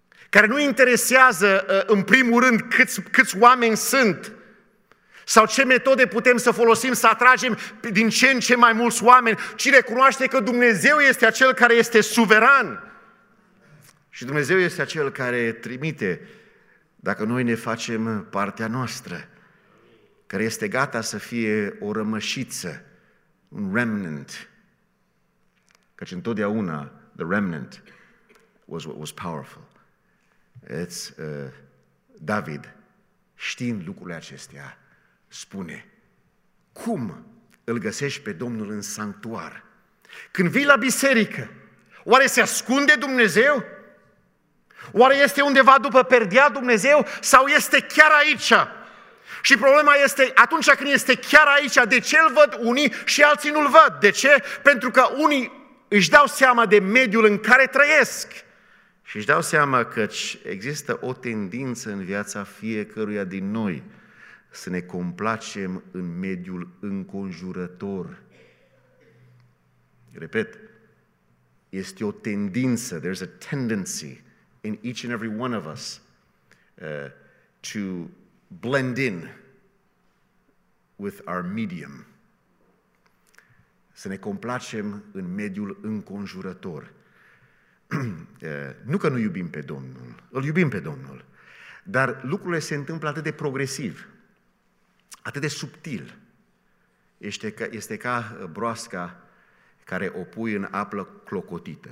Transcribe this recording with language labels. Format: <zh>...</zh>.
<ro>care nu interesează în primul rând câți oameni sunt sau ce metode putem să folosim să atragem din ce în ce mai mulți oameni, ci recunoaște că Dumnezeu este acel care este suveran și Dumnezeu este acel care trimite dacă noi ne facem partea noastră, care este gata să fie o rămășiță, un remnant. Căci întotdeauna,</ro> <en>the remnant was what was powerful.</en> <ro>David, știind lucrurile acestea, spune, cum îl găsești pe Domnul în sanctuar? Când vii la biserică, oare se ascunde Dumnezeu? Oare este undeva după perdea Dumnezeu? Sau este chiar aici? Și problema este, atunci când este chiar aici, de ce îl văd unii și alții nu-l văd? De ce? Pentru că unii își dau seama de mediul în care trăiesc. Și își dau seama că există o tendință în viața fiecăruia din noi să ne complacem în mediul înconjurător. Repet, este o tendință,</ro> <en>there's a tendency in each and every one of us to blend in with our medium.</en> <ro>Să ne complacem în mediul înconjurător. Nu că nu iubim pe Domnul, îl iubim pe Domnul, dar lucrurile se întâmplă atât de progresiv, atât de subtil, este ca broasca care o pui în apă clocotită.</ro>